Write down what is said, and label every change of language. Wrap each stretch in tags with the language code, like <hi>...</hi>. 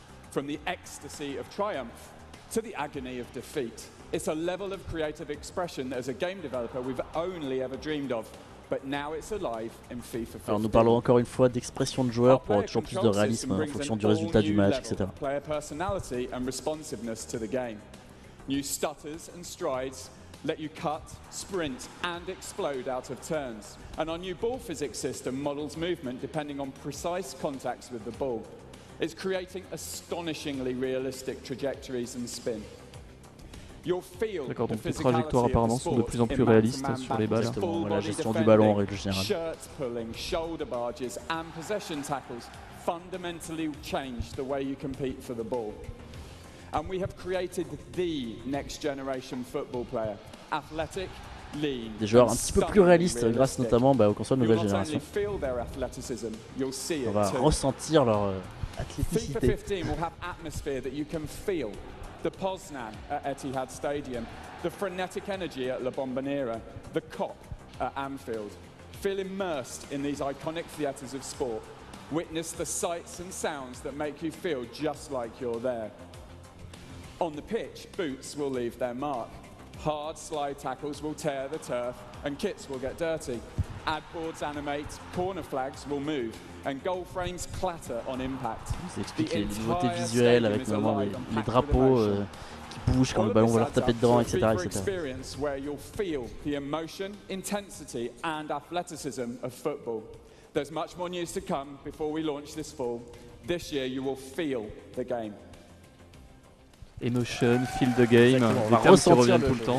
<en>From the ecstasy of triumph to the agony of defeat. It's a level of creative expression that as a game developer we've only ever dreamed of. But now it's alive in FIFA 15.</en> <fr>Alors nous parlons encore une fois d'expression de joueur pour toujours plus de réalisme en fonction du résultat du match, etc.</fr> <en>Player personality and responsiveness to the game. New stutters and strides let you cut, sprint and explode out of turns. And our new ball physics system models movement depending on precise contacts with the ball. It's creating astonishingly realistic trajectories and spin.</en> <fr>D'accord, donc les trajectoires apparemment sont de plus en plus réalistes sur les balles. Exactement, la gestion du ballon en règle générale.</fr> <en>Shirts pulling, shoulder barges and possession tackles fundamentally change the way you compete for the ball. And we have created the next generation football player. Athletic, lean,</en> <fr>des joueurs un petit peu plus réalistes grâce notamment aux consoles de nouvelle génération. On va ressentir leur athléticité.</fr> <en>FIFA 15 will have atmosphere that you can feel. The Poznan at Etihad Stadium, the frenetic energy at La Bombonera, the Kop at Anfield. Feel immersed in these iconic theatres of sport. Witness the sights and sounds that make you feel just like you're there. On the pitch, boots will leave their mark. Hard slide tackles will tear the turf and kits will get dirty. Ad boards animate, corner flags will move and goal frames clatter on impact.</en> <fr>Expliquer les nouveautés visuelles avec vraiment les drapeaux qui bougent quand le ballon va leur taper dedans, etc. etc.</fr> <en>Experience where you'll feel the emotion, intensity and athleticism of football. There's much more news to come before we launch this fall. This year you will feel the game. Emotion, feel the game,</en> <fr>des termes qui reviennent tout le temps.</fr>